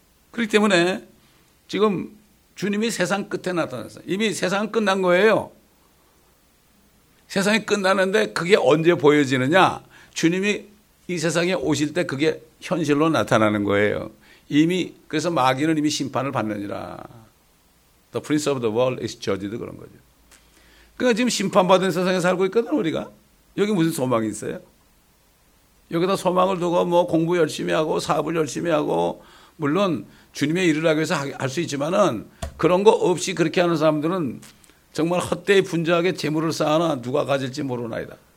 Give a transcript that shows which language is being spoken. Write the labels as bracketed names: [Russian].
[Korean] 그렇기 때문에 지금 주님이 세상 끝에 나타났어. 이미 세상 끝난 거예요. 세상이 끝나는데 그게 언제 보여지느냐? 주님이 이 세상에 오실 때 그게 현실로 나타나는 거예요. 이미 그래서 마귀는 이미 심판을 받느니라. [English] The prince of the world is judged [Korean] 그런 거죠. 그러니까 지금 심판받은 세상에 살고 있거든 우리가. 여기 무슨 소망이 있어요? 여기다 소망을 두고 뭐 공부 열심히 하고 사업을 열심히 하고 물론 주님의 일을 하기 위해서 할 수 있지만은 그런 거 없이 그렇게 하는 사람들은 정말 헛되이 분주하게 재물을 쌓아나 누가 가질지 모르나이다.